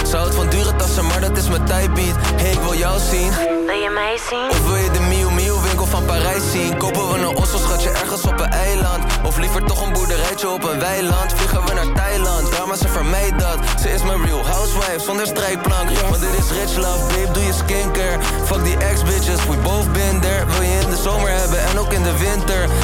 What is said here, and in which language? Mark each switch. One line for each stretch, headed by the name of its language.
Dutch: Zou het van dure tassen, maar dat is mijn type beat. Hey, ik wil jou zien. Wil je mij zien? Of wil je de Miu Miu winkel van Parijs zien? Kopen we een osso, schatje, ergens op een eiland? Of liever toch een boerderijtje op een weiland? Vliegen we naar Thailand? Drama, ze vermijdt dat. Ze is mijn real housewife, zonder strijkplank. Yes. Want dit is
English: rich love, babe,
Dutch: doe je skincare.
English: Fuck die ex-bitches, we both been there.
Dutch: Wil je in de zomer hebben en ook in de winter?